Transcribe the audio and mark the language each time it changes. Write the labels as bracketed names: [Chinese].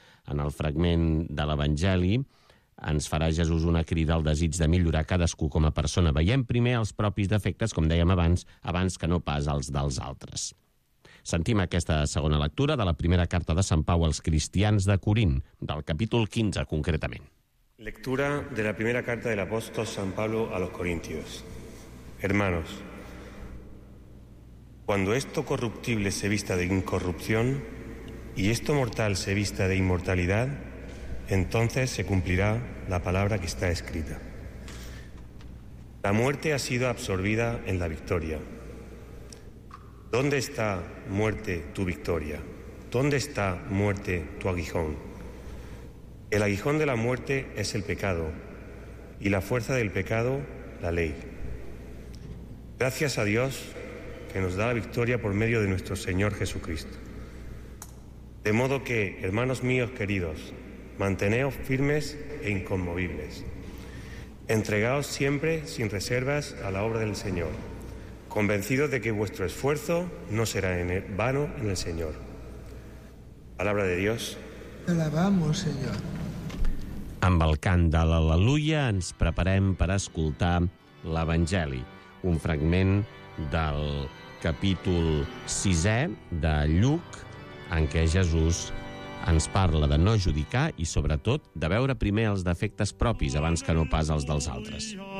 [Catalan] En el fragment de l'Evangeli ens farà Jesús una crida al desig de millorar cadascú com a persona. Veiem primer els propis defectes, com dèiem abans que no pas els dels altres. Sentim aquesta segona lectura de la primera carta de Sant Pau als cristians de Corint, del capítol 15, concretament. [Spanish] Lectura de la primera carta del apóstol Sant Pablo a los corintios. Hermanos, cuando esto corruptible se vista de incorrupción y esto mortal se vista de inmortalidad, entonces se cumplirá la palabra que está escrita. La muerte ha sido absorbida en la victoria. ¿Dónde está, muerte, tu victoria? ¿Dónde está, muerte, tu aguijón? El aguijón de la muerte es el pecado, y la fuerza del pecado, la ley. Gracias a Dios, que nos da la victoria por medio de nuestro Señor Jesucristo. De modo que, hermanos míos queridos, manteneos firmes e inconmovibles. Entregaos siempre, sin reservas, a la obra del Señor, convencidos de que vuestro esfuerzo no será en vano en el Señor. Palabra de Dios. Te alabamos, Señor. [Catalan] Amb el cant de l'Aleluia ens preparem per escoltar l'Evangeli, un fragment del capítol 6è de Lluc, en què Jesús ens parla de no judicar i, sobretot, de veure primer els defectes propis abans que no pas els dels altres.